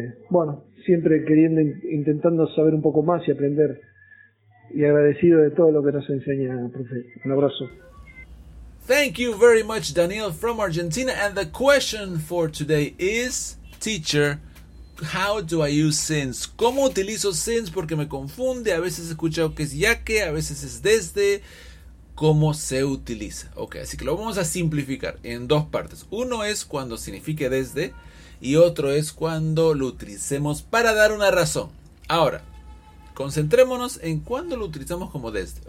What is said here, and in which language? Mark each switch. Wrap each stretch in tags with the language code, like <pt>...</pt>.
<es>Bueno, siempre queriendo, intentando saber un poco más y aprender, y agradecido de todo lo que nos enseña, profe. Un abrazo.</es> <en>Thank you very much, Daniel, from Argentina. And the question for today is, teacher, how do I use since?</en> <es>¿Cómo utilizo since? Porque me confunde. A veces he escuchado que es ya que, a veces es desde. ¿Cómo se utiliza? Ok, así que lo vamos a simplificar en dos partes. Uno es cuando signifique desde, y otro es cuando lo utilicemos para dar una razón. Ahora, concentrémonos en cuando lo utilizamos como desde.</es>